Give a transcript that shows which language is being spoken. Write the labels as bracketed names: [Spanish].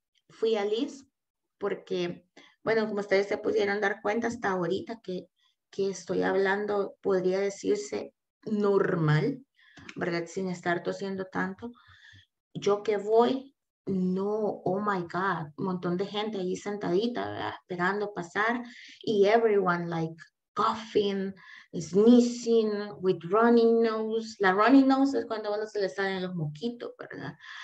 [Spanish] Fui a East porque, bueno, como ustedes se pudieron dar cuenta hasta ahorita que estoy hablando, podría decirse normal, ¿verdad? Sin estar tosiendo tanto. Yo que voy, no, [English] oh my God, [Spanish] un montón de gente ahí sentadita, ¿verdad? Esperando pasar, y [English] everyone like coughing, sneezing, with running nose. [Spanish] La running nose es cuando a uno se le salen los moquitos, ¿verdad?